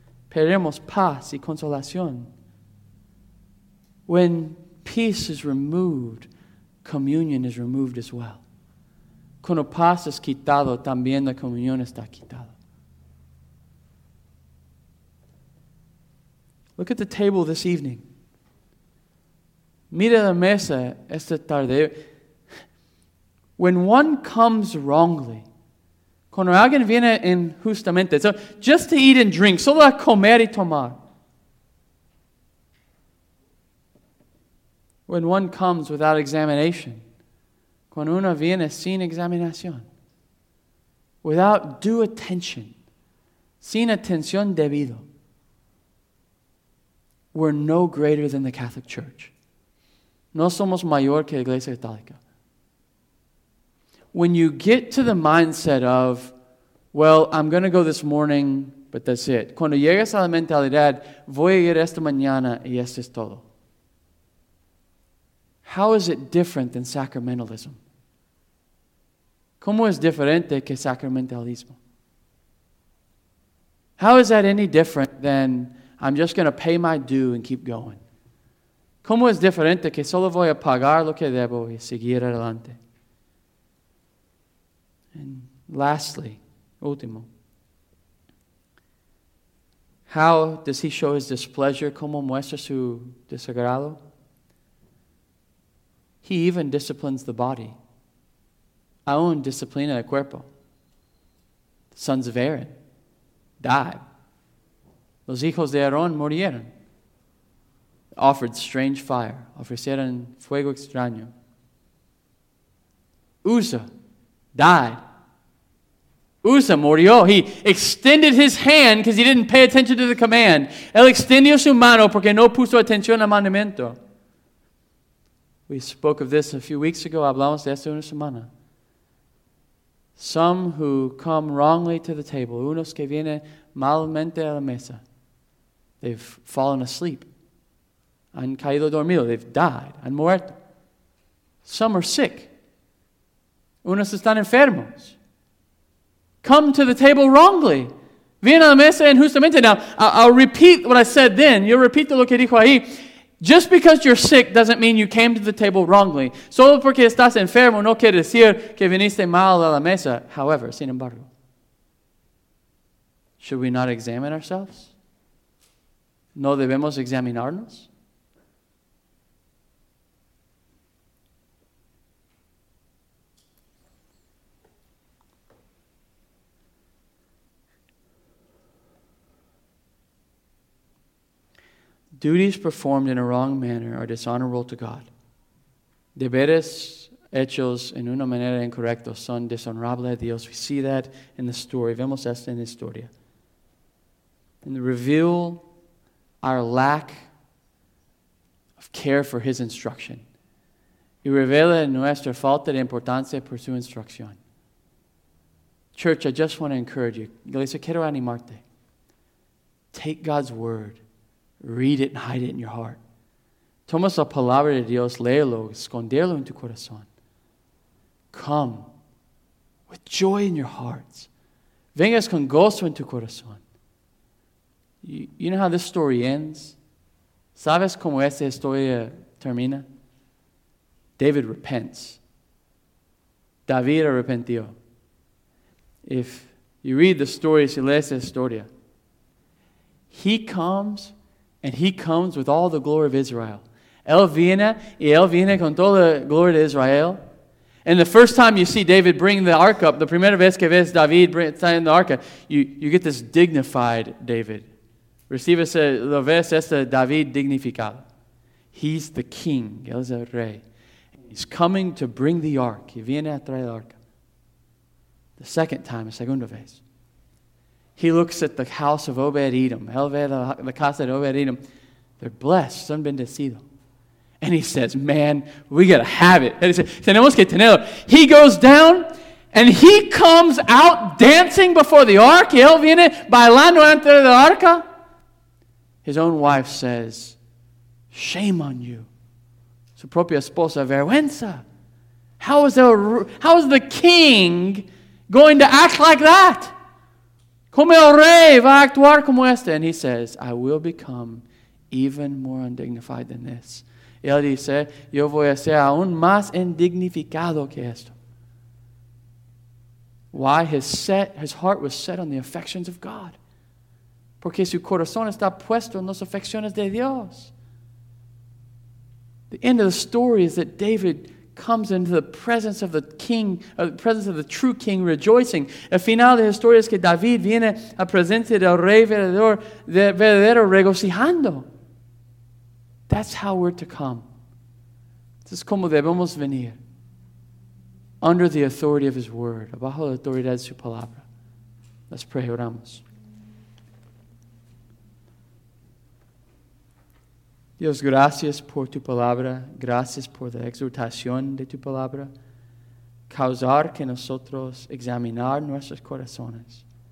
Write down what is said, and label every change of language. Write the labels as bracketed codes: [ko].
[es] Perdemos paz y consolación. [en] When peace is removed, communion is removed as well. [es] Cuando paz es quitado, también la comunión está quitada. [en] Look at the table this evening. [es] Mira la mesa esta tarde. [en] When one comes wrongly, [es] cuando alguien viene injustamente, [en] so just to eat and drink, [es] solo a comer y tomar. [en] When one comes without examination, [es] cuando uno viene sin examinación, [en] without due attention, [es] sin atención debido, [en] we're no greater than the Catholic Church. [es] No somos mayor que la Iglesia Católica. [en] When you get to the mindset of, well, I'm going to go this morning, but that's it. [es] Cuando llegas a la mentalidad, voy a ir esta mañana y esto es todo. [en] How is it different than sacramentalism? [es] ¿Cómo es diferente que sacramentalismo? [en] How is that any different than I'm just going to pay my due and keep going? [es] ¿Cómo es diferente que solo voy a pagar lo que debo y seguir adelante? [en] And lastly, último, how does he show his displeasure? [es] ¿Cómo muestra su desagrado? [en] He even disciplines the body. Aún disciplina el cuerpo. The sons of Aaron died. [es] Los hijos de Aarón murieron. [en] Offered strange fire. [es] Ofrecieron fuego extraño. [en] Uzzah died. [es] Uzzah murió. [en] He extended his hand because he didn't pay attention to the command. [es] Él extendió su mano porque no puso atención al mandamiento. [en] We spoke of this a few weeks ago. [es] Hablamos de esto una semana. [en] Some who come wrongly to the table, [es] unos que vienen malamente a la mesa, [en] they've fallen asleep. [es] Han caído dormido. [en] They've died. [es] Han muerto. [en] Some are sick. [es] Unos están enfermos. [en] Come to the table wrongly. [es] Vienen a la mesa injustamente. [en] Now, I'll repeat what I said then. You'll repeat [es] lo que dijo ahí. [en] Just because you're sick doesn't mean you came to the table wrongly. [es] Solo porque estás enfermo no quiere decir que viniste mal a la mesa. [en] However, [es] sin embargo, [en] should we not examine ourselves? [es] ¿No debemos examinarnos? [en] Duties performed in a wrong manner are dishonorable to God. [es] Deberes hechos en una manera incorrecta son deshonorables a Dios. [en] We see that in the story. [es] Vemos esto en la historia. [en] And reveal our lack of care for his instruction. [es] Y revela nuestra falta de importancia por su instrucción. [en] Church, I just want to encourage you. [es] Iglesia, quiero animarte. [en] Take God's word. Read it and hide it in your heart. [es] Toma la palabra de Dios, léelo, esconderlo en tu corazón. [en] Come with joy in your hearts. [es] Vengas con gozo en tu corazón. [en] You know how this story ends? [es] ¿Sabes cómo esta historia termina? [en] David repents. [es] David arrepentió. [en] If you read the story, [es] si lees la historia, [en] he comes. And he comes with all the glory of Israel. [es] Él viene, y él viene con toda la gloria de Israel. [en] And the first time you see David bring the ark up, the [es] primera vez que ves David traer la arca, [en] you get this dignified David. [es] Recibes lo ves este David dignificado. [en] He's the king, [es] él es el rey. [en] He's coming to bring the ark. [es] Y viene a traer la arca. [en] The second time, [es] la segunda vez. [en] He looks at the house of Obed-Edom. [es] Él ve la casa de Obed-Edom. [en] They're blessed, [es] son bendecido. [en] And he says, man, we got to have it. And he says, [es] tenemos que tenerlo. [en] He goes down and he comes out dancing before the ark. [es] Y él viene bailando ante la arca. [en] His own wife says, shame on you. [es] Su propia esposa, vergüenza. [en] How is the king going to act like that? [es] Como el rey va a actuar como este? [en] And he says, I will become even more undignified than this. [es] Y él dice, yo voy a ser aún más indignificado que esto. [en] Why? His heart was set on the affections of God. [es] Porque su corazón está puesto en las afecciones de Dios. [en] The end of the story is that David comes into the presence of the king, the presence of the true king, rejoicing. [es] El final de la historia es que David viene a presentar al rey verdadero regocijando. [en] That's how we're to come. This is [es] como debemos venir. [en] Under the authority of his word. [es] Bajo la autoridad de su palabra. [en] Let's pray. [es] Oramos. Dios, gracias por tu palabra. Gracias por la exhortación de tu palabra. Causar que nosotros examinar nuestros corazones.